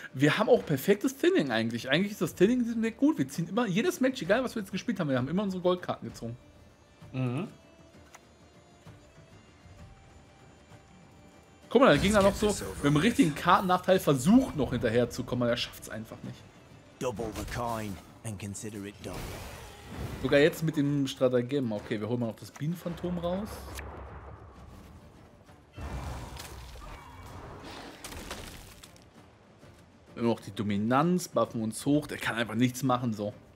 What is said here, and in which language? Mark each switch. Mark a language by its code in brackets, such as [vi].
[de] Wir haben auch perfektes Thinning eigentlich. Eigentlich ist das Thinning in diesem Deck gut. Wir ziehen immer jedes Match, egal was wir jetzt gespielt haben, wir haben immer unsere Goldkarten gezogen. Mhm. Guck mal, da ging er noch so mit dem richtigen Kartennachteil versucht noch hinterher zu kommen, aber er schafft es einfach nicht. [en] Double the coin and consider it double. [de] Sogar jetzt mit dem Stratagem. Okay, wir holen mal noch das Bienenphantom raus. Immer noch die Dominanz, buffen uns hoch, der kann einfach nichts machen, so.